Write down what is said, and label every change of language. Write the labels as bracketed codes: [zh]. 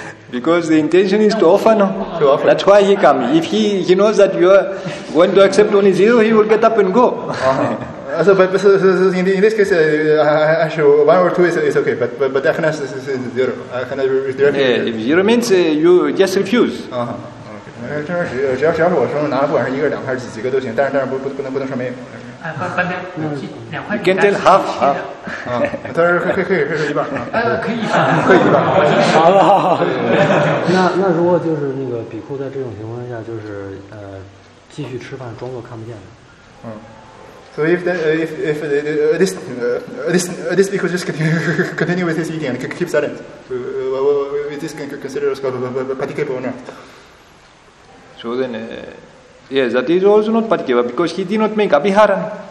[en] Because the intention is to offer, no? To offer. That's why he comes. If he knows that you are going to accept only zero, he will get up and go. Uh-huh. So in this case, actually, one or two is okay, but definitely is zero. If zero means you just refuse. Uh-huh. Okay. [zh] 只要是我说拿了，不管是一个、两块、几个都行，但是不能说没有。半边，两块饼干是一半，可以一半可以一半，好了好了。那如果就是那个比库在这种情况下，就是继续吃饭，装作看不见的。 [en] So if this比库 just continue with his eating and keep silent, is this considered as participable or not? So then. Yes, that is also not particular because he did not make abhihara.